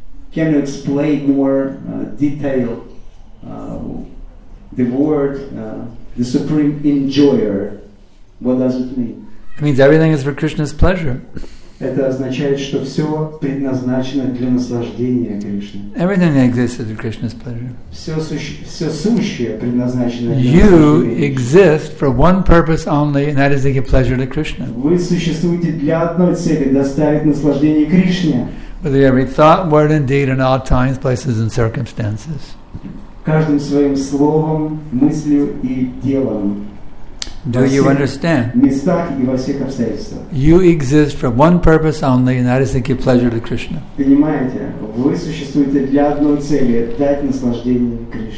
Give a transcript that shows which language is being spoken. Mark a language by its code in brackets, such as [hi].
[en] Can you explain more detail the word the supreme enjoyer? What does it mean? It means everything is for Krishna's pleasure. [ru] Это означает, что все предназначено для наслаждения Кришны. [en] Everything exists for Krishna's pleasure. [ru] Все сущее предназначено для наслаждения. [en] You exist for one purpose only, and that is to give pleasure to Krishna. [ru] Вы существуете для одной цели – доставить наслаждение Кришне. [en] With every thought, word, and deed, in all times, places, and circumstances. [ru] Каждым своим словом, мыслью и делом. [en] Do you understand? [ru] Местах и во всех обстоятельствах. [en] You exist for one purpose only, and that is to give pleasure to Krishna. [ru] Понимаете? Вы существуете для одной цели – дать наслаждение Кришне.